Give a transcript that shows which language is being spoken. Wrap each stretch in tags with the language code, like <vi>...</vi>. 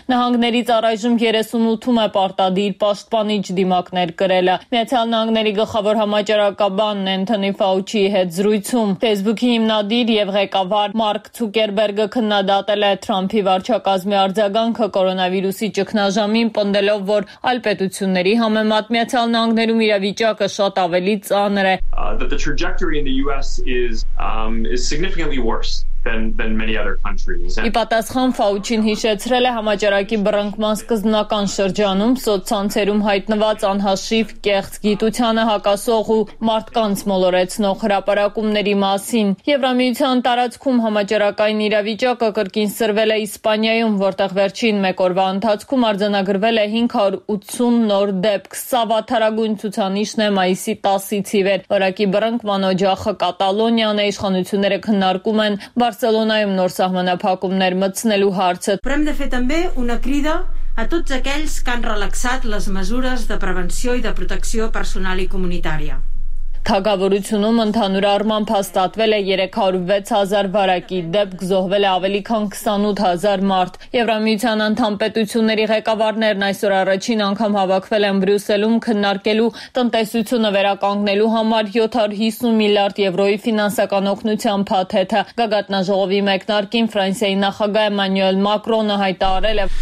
<hy>Նահանգներից առայժմ 38-ում է պարտադիր պաշտպանիչ դիմակներ կրելը։ Միացյալ Նահանգների գլխավոր համաճարակաբանն Էնթոնի Ֆաուչի հետ զրույցում Facebook-ի հիմնադիր և ղեկավար Մարկ Ցուկերբերգը քննադատ Տելե Թրամփի վարչակազմի արձագանքը կորոնավիրուսի ճգնաժամին, պնդելով, որ այլ պետությունների համեմատ Միացյալ Նահանգներում իրավիճակը շատ ավելի ծանր է.</hy> <en>The trajectory in the US is significantly worse than many other countries.</en> <hy>Ի պատասխան Ֆաուչին հիշեցրել է համաճարակի բռնկման սկզբնական շրջանում սոցցանցերում հայտնված անհաշիվ կեղծ գիտությանը հակասող ու մարդկանց մոլորեցնող հրապարակումների մասին։ Եվրամիության տարածքում համաճարակային իրավիճակը կրկին սրվել է Իսպանիայում, որտեղ վերջին մեկ օրվա ընթացքում արձանագրվել է 580 նոր դեպք, սա վատարագույն ցուցանիշն է մայիսի 10-ից ի վեր։ Վարակի բռնկման օջախը Կատալոնիան է, իշխանությունները քննարկում են Բարսելոնայում նոր սահմանափակումներ մտցնելու հարցը։</hy> <ca>Prem de fer també una crida a tots aquells que han relaxat les mesures de prevenció i de protecció personal i comunitària.</ca> <hy>Թագավորությունում ընդհանուր առմամբ հաստատվել է 306,000 վարակի դեպք, զոհվել է ավելի քան 28,000 մարդ։ Եվրամիության անդամ պետությունների ղեկավարներն այսօր առաջին անգամ հավաքվել են Բրյուսելում քննարկելու տնտեսությունը վերականգնելու համար 750 միլիարդ եվրոյի ֆինանսական օգնության փաթեթը։ Գագաթնաժողովի մեկնարկին Ֆրանսիայի նախագահ Էմանյուել Մակրոնը հայտարարել է.</hy>